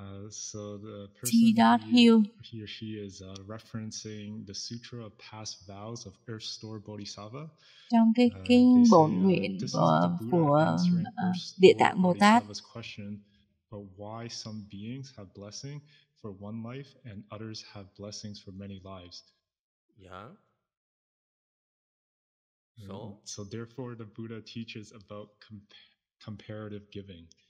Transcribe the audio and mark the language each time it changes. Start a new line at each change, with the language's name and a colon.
English: So the person he or she is referencing the Sutra of Past Vows of Earth Store Bodhisattva.
Vietnamese: Trong cái kinh bổn nguyện của Địa Tạng Bồ Tát.
English: Question, but why some beings have blessing for one life and others have blessings for many lives? Yeah. So, so therefore the Buddha teaches about comparative giving.